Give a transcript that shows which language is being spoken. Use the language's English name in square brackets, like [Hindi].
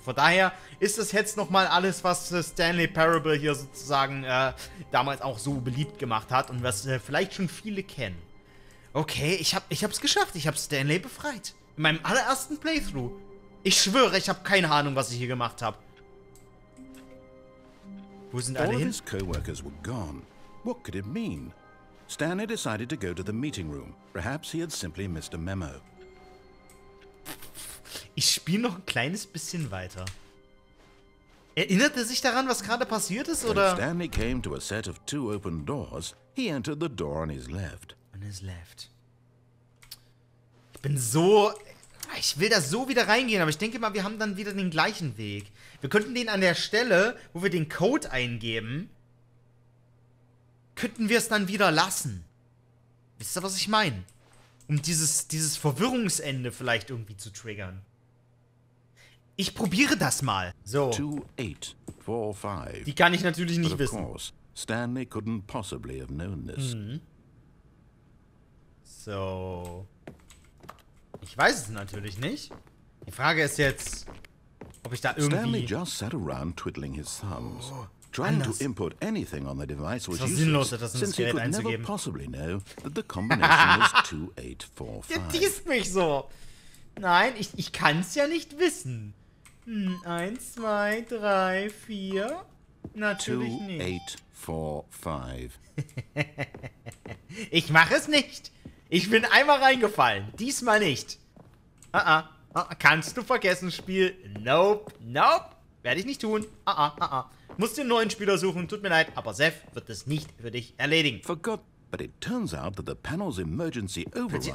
[German] Von daher ist das jetzt nochmal alles, was Stanley Parable hier sozusagen damals auch so beliebt gemacht hat und was vielleicht schon viele kennen. Okay, ich hab's geschafft. Ich habe Stanley befreit. In meinem allerersten Playthrough. Ich schwöre, ich habe keine Ahnung, was ich hier gemacht habe. Wo sind alle hin? [English] All of his co-workers were gone. What could it mean? Stanley decided to go to the meeting room. Perhaps he had simply missed a memo. [German] Ich spiele noch ein kleines bisschen weiter. Erinnert er sich daran, was gerade passiert ist, oder? [English] When Stanley came to a set of two open doors, he entered the door on his left. On his left. [German] Ich bin so... Ich will da so wieder reingehen, aber ich denke mal, wir haben dann wieder den gleichen Weg. Wir könnten den an der Stelle, wo wir den Code eingeben, könnten wir es dann wieder lassen. Wisst ihr, was ich meine? Um dieses Verwirrungsende vielleicht irgendwie zu triggern. Ich probiere das mal. So. 2845. Die kann ich natürlich nicht wissen. [English] Course, Stanley couldn't possibly have known this. Mhm. [German] So. Ich weiß es natürlich nicht. Die Frage ist jetzt, ob ich da irgendwie... [English] Stanley just sat around twiddling his thumbs. Oh. Trying to input anything on the device was [German] sinnlos, etwas in das Gerät einzugeben. [English] Since he could never possibly know that the combination is 2845. [German] Der tiest mich so. Nein, ich kann's ja nicht wissen. 1, 2, 3, 4. Natürlich nicht. 2845. Ich mach es nicht. Ich bin einmal reingefallen. Diesmal nicht. Kannst du vergessen, Spiel? Nope. Werde ich nicht tun. Muss den neuen Spieler suchen, tut mir leid, aber Seth wird es nicht für dich erledigen. [English] Forgot, but it turns out that the panel's emergency override